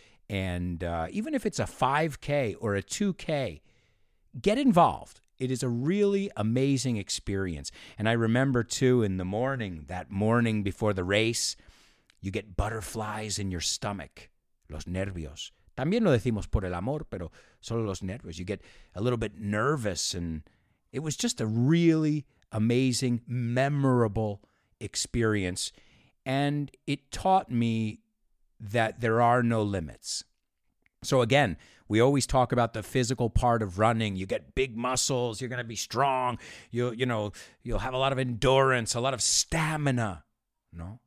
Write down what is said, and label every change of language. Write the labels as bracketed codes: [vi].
[en] And even if it's a 5K or a 2K, get involved. It is a really amazing experience. And I remember, too, in the morning, that morning before the race, you get butterflies in your stomach. [es] Los nervios. También lo decimos por el amor, pero solo los nervios. [en] You get a little bit nervous. And it was just a really amazing, memorable experience. And it taught me that there are no limits. So again, we always talk about the physical part of running. You get big muscles, you're going to be strong, you'll have a lot of endurance, a lot of stamina, no?